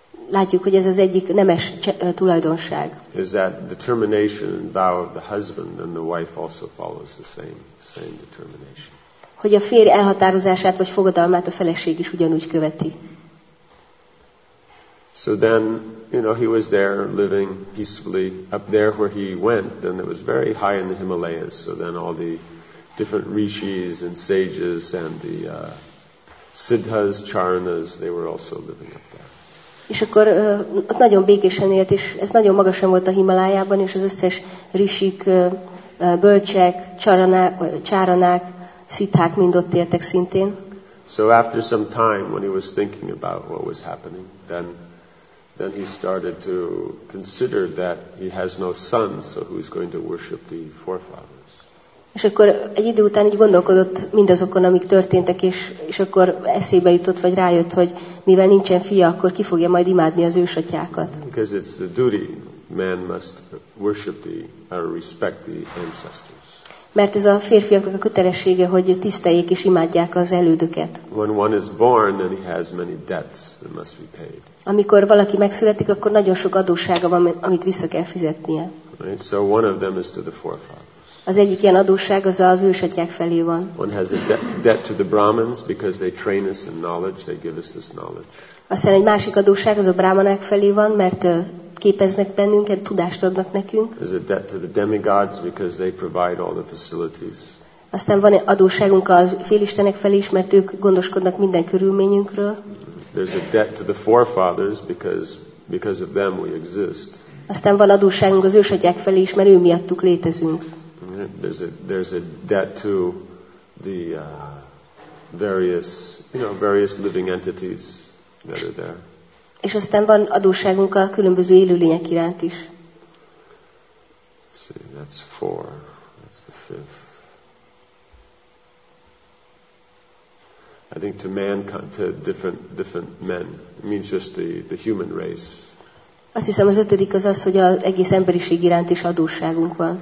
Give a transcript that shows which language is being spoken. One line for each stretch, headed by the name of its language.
Hungarian: Látjuk, hogy ez az egyik nemes tulajdonság.
English: Is that determination and vow of the husband, and the wife also follows the same determination.
Hungarian: Hogy a férj elhatározását vagy fogadalmát a feleség is ugyanúgy követi.
English: So then, you know, he was there living peacefully up there where he went, and it was very high in the Himalayas. So then all the different rishis and sages and the siddhas, charanas, they were also living up there.
Hungarian: És akkor ott nagyon békésen élt, és ez nagyon magasan volt a Himalájában, és az összes rishik, bölcsek, csáranák, szitthák mind ott éltek szintén.
English: So after some time when he was thinking about what was happening, then he started to consider that he has no son, so who's going to worship the forefathers.
Hungarian: És akkor egy idő után így gondolkodott mindazokon, amik történtek, és akkor eszébe jutott, vagy rájött, hogy mivel nincsen fia, akkor ki fogja majd imádni az ősatyákat.
English: Because it's the duty, man must worship the or respect the ancestors.
Hungarian: Mert ez a férfiaknak a kötelessége, hogy tiszteljék és imádják az elődöket.
English: When one is born, then he has many debts that must be paid.
Hungarian: Amikor valaki megszületik, akkor nagyon sok adóssága van, amit vissza kell fizetnie.
English: Right? So one of them is to the forefathers.
Hungarian: Az egyik ilyen adósság az ősatyák felé van.
English: One has a debt to the Brahmins because they train us in knowledge, they give us this knowledge.
Hungarian: Aztán egy másik adósság az a brahmanák felé van, mert képeznek bennünket, tudást adnak nekünk.
English: There's a debt to the demigods because they provide all the facilities.
Hungarian: Aztán van adósságunk az félistenek felé is, mert ők gondoskodnak minden körülményünkről.
English: There's a debt to the forefathers because of them we exist.
Hungarian: Aztán van adósságunk az ősatyák felé is, mert ő miattuk létezünk.
English: There's a debt to the various living entities that are there.
Hungarian: És aztán van adósságunk a különböző élőlények iránt is.
English: See, that's four. That's the fifth. I think to mankind, to different men. It means just the human race.
Hungarian: Azt hiszem, az ötödik az az, hogy az egész emberiség iránt is adósságunk van.